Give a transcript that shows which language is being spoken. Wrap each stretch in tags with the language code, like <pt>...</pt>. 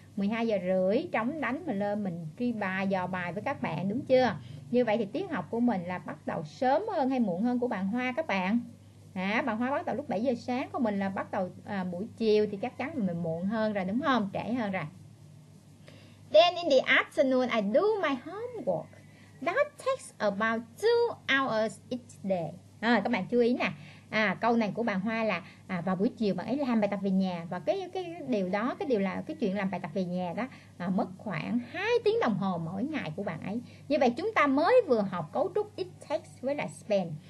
<vi>12:30 trống đánh mà lên mình truy bài, dò bài với các bạn, đúng chưa? Như vậy thì tiết học của mình là bắt đầu sớm hơn hay muộn hơn của bạn Hoa các bạn? À, bạn Hoa bắt đầu lúc 7 giờ sáng, còn mình là bắt đầu buổi chiều thì chắc chắn mình muộn hơn rồi, đúng không? Trễ hơn rồi.</vi> <en>Then in the afternoon I do my homework. That takes about 2 hours each day.</en> <vi>À, các bạn chú ý nè. À, câu này của bạn Hoa là vào buổi chiều bạn ấy làm bài tập về nhà. Và cái điều đó, cái điều là cái chuyện làm bài tập về nhà đó mất khoảng 2 tiếng đồng hồ mỗi ngày của bạn ấy. Như vậy chúng ta mới vừa học cấu trúc it takes với là spend.</vi>